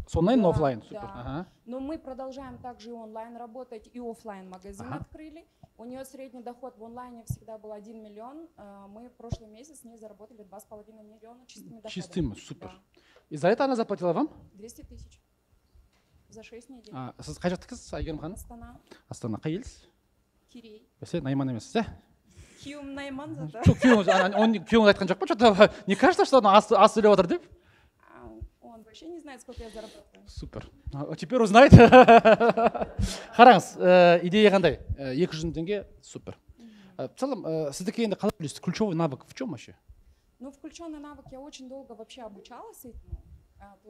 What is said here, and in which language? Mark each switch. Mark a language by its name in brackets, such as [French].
[Russian] С онлайн, да, на офлайн, супер. Да. Ага. Но мы продолжаем также и онлайн работать, и офлайн магазин, ага, открыли. У нее средний доход в онлайне всегда был 1 миллион. Мы в прошлый месяц с ней заработали 2,5 миллиона чистыми доходами. Чистыми, супер. Да. И за это она заплатила вам? 200 тысяч. За 6 недель. [Kazakh] А, сіз қай жақтықыз, Айгерім ханым? Астана. Астана, қай елсіз? Кирей. Бәсе, найман емессіз, ә? Күйеуім найман зада. Жоқ, күйеуіңіз, күйеуіңіз айтқан жоқ па? [Russian] Что-то не кажется, что он [Kazakh] аз сөйлеп отыр деп? [Russian] Он вообще не знает, сколько я зарабатываю. Супер. А теперь узнает. [Kazakh] Қараңыз, идея қандай? [Russian] 200 мың теңге, супер. В целом, [Kazakh] сіздікі енді қалай үлесті? [Russian] Ключевой навык в чем вообще? Ну, включенный навык, я очень долго вообще обучалась этому.